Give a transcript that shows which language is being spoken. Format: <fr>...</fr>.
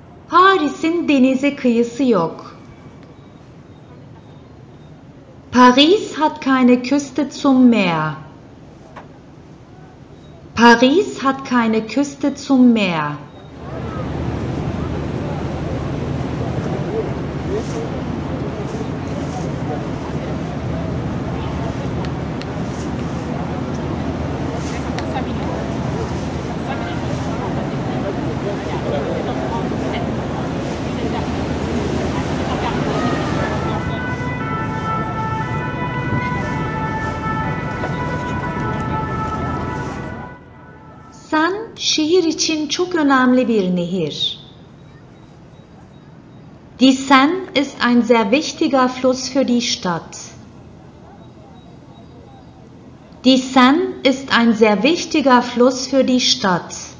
<tr>Paris'in denize kıyısı yok.</tr> <de>Paris hat keine Küste zum Meer. Paris hat keine Küste zum Meer.</de> <tr>Şehir için çok önemli bir nehir.</tr> <de>Die Seine ist ein sehr wichtiger Fluss für die Stadt. Die Seine ist ein sehr wichtiger Fluss für die Stadt.</de>